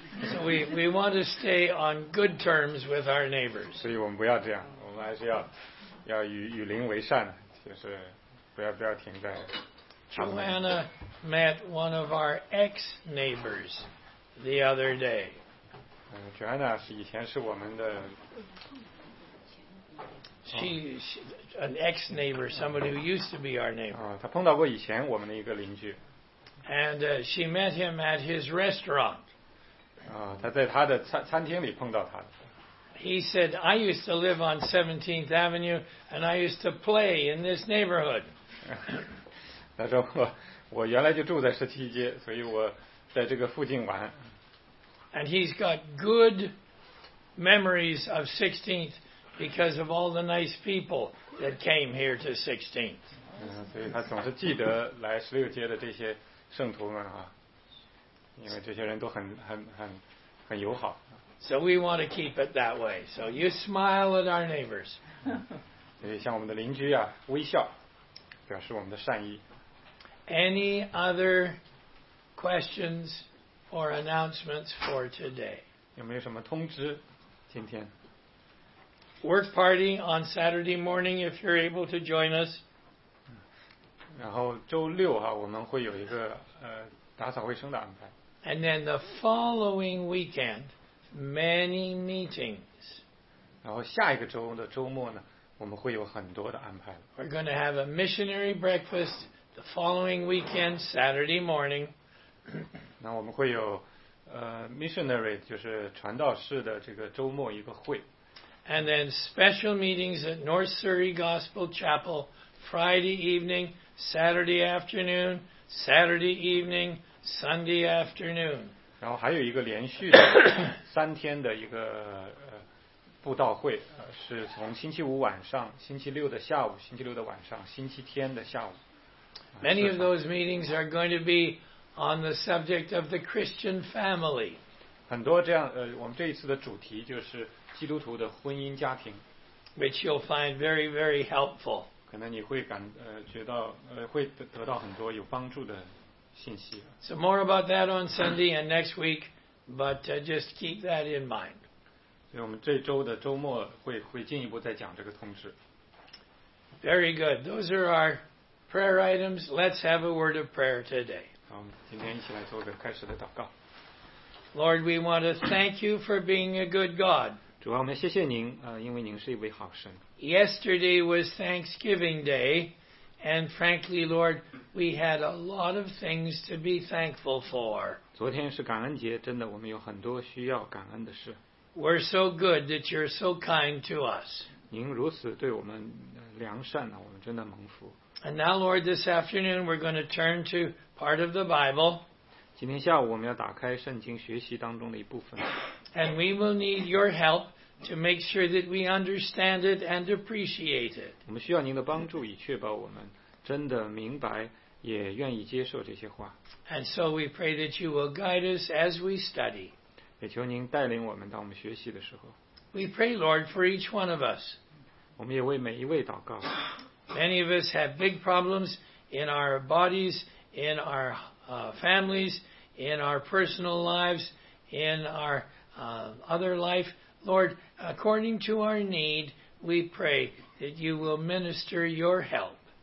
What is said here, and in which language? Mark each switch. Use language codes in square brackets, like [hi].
[en] So we want to stay on good terms with our neighbors. [zh] 所以我们不要这样，我们还是要与邻为善，就是不要停在。 [en] Joanna met one of our ex neighbors the other day. [zh] Joanna 是以前是我们的。 [en] She's an ex neighbor, somebody who used to be our neighbor. [zh] 她碰到过以前我们的一个邻居。 [en] And she met him at his restaurant. [zh] 她在他的餐厅里碰到他。 [en] He said, I used to live on 17th Avenue and I used to play in this neighborhood. [zh] 他说我原来就住在十七街，所以我在这个附近玩。 [en] And he's got good memories of 16th because of all the nice people that came here to 16th. [zh] 所以他总是记得来十六街的这些圣徒们啊，因为这些人都很友好。 [en] So we want to keep it that way. So you smile at our neighbors. [zh] 所以向我们的邻居啊微笑，表示我们的善意。 [en] Any other questions or announcements for today? [zh] 有没有什么通知今天？ [en] Work party on Saturday morning if you're able to join us. [zh] 然后周六啊，我们会有一个打扫卫生的安排。 [en] And then the following weekend. Many meetings. [zh] 然后下一个周的周末呢，我们会有很多的安排。 [en] We're going to have a missionary breakfast the following weekend, Saturday morning. [zh] 那我们会有missionary 就是传道士的这个周末一个会。 [en] And then special meetings at North Surrey Gospel Chapel Friday evening, Saturday afternoon, Saturday evening, Sunday afternoon. [zh] 然后还有一个连续的三天的一个布道会，是从星期五晚上、星期六的下午、星期六的晚上、星期天的下午。 [en] Many of those meetings are going to be on the subject of the Christian family. [zh] 很多这样我们这一次的主题就是基督徒的婚姻家庭。 [en] Which you'll find very, very helpful. [zh] 可能你会会得到很多有帮助的。 [en] So more about that on Sunday and next week, but just keep that in mind. [zh] 所以我们这周的周末会进一步再讲这个通知。 [en] Very good. Those are our prayer items. Let's have a word of prayer today. [zh] 好，我们今天一起来做个开始的祷告。 [en] Lord, we want to thank you for being a good God. [zh] 主啊，我们谢谢您，因为您是一位好神。 [en] Yesterday was Thanksgiving Day. And frankly, Lord, we had a lot of things to be thankful for. [zh] 昨天是感恩节，真的，我们有很多需要感恩的事。 [en] We're so good that you're so kind to us. [zh] 您如此对我们良善呢，我们真的蒙福。 [en] And now, Lord, this afternoon we're going to turn to part of the Bible. [zh] 今天下午我们要打开圣经学习当中的一部分。 [en] And we will need your help. To make sure that we understand it and appreciate it. [zh] 我们需要您的帮助，以确保我们真的明白，也愿意接受这些话。 [en] And so we pray that you will guide us as we study. [zh] 也求您带领我们，当我们学习的时候。 [en] We pray, Lord, for each one of us. Many of us have big problems in our bodies, in our families, in our personal lives, in our other life. Lord, according to our need, we pray that you will minister your help.